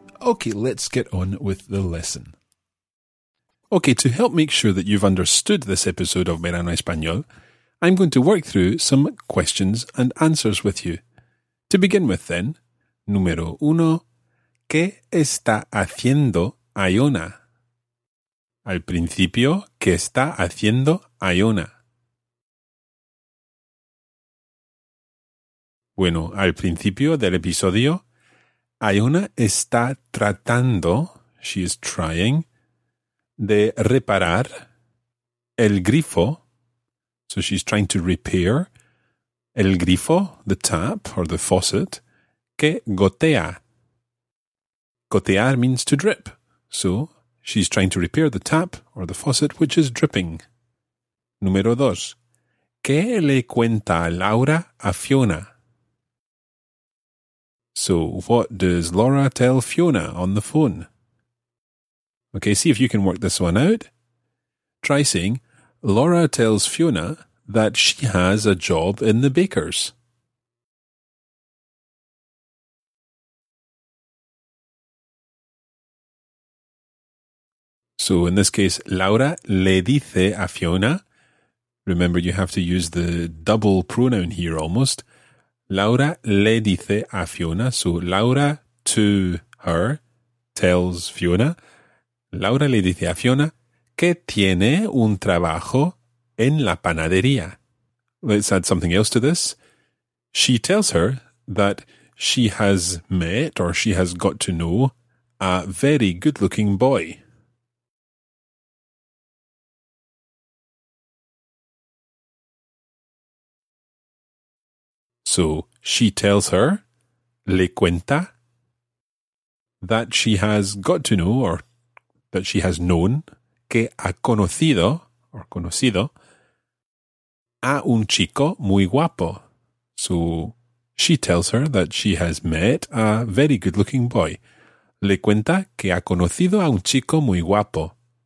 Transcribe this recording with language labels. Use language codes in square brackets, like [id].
[en] Okay, let's get on with the lesson. Okay, to help make sure that you've understood this episode of Verano Español, I'm going to work through some questions and answers with you. To begin with then, [es] número uno, ¿qué está haciendo Ayona? Al principio, ¿qué está haciendo Ayona? Bueno, al principio del episodio, Ayona está tratando, [en] she is trying, [es] de reparar el grifo. [en] So she's trying to repair el grifo, the tap or the faucet, [es] que gotea. [en] Gotear means to drip. So she's trying to repair the tap or the faucet, which is dripping. [es] Número dos. ¿Qué le cuenta Laura a Fiona? [en] So, what does Laura tell Fiona on the phone? Okay, see if you can work this one out. Try saying, Laura tells Fiona that she has a job in the baker's. So, in this case, Laura [es] le dice a [en] Fiona. Remember, you have to use the double pronoun here almost. Laura [es] le dice a Fiona, so Laura to her tells Fiona, Laura le dice a Fiona que tiene un trabajo en la panadería. [en] Let's add something else to this. She tells her that she has met or she has got to know a very good-looking boy. So, she tells her, le cuenta, that she has got to know, or that she has known, [es] que ha conocido, [en] or conocido, [es] a un chico muy guapo. [en] So, she tells her that she has met a very good-looking boy. [es] Le cuenta que ha conocido a un chico muy guapo.